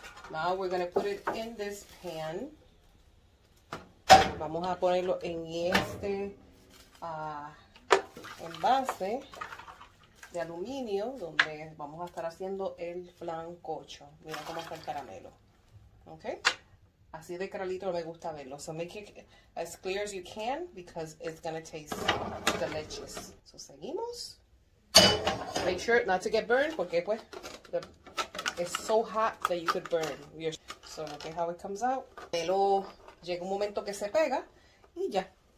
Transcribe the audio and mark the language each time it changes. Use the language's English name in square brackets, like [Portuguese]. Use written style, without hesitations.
[English] Now we're gonna put it in this pan. [Spanish] Vamos a ponerlo en este envase de aluminio donde vamos a estar haciendo el flancocho. Mira cómo está el caramelo. Ok. Así de clarito me gusta verlo. [English] So make it as clear as you can because it's gonna taste delicious. So [Spanish] seguimos. [English] Make sure not to get burned [Spanish] porque pues [English] it's so hot that you could burn. So look at how it comes out. [Spanish] Pero llega un momento que se pega y ya.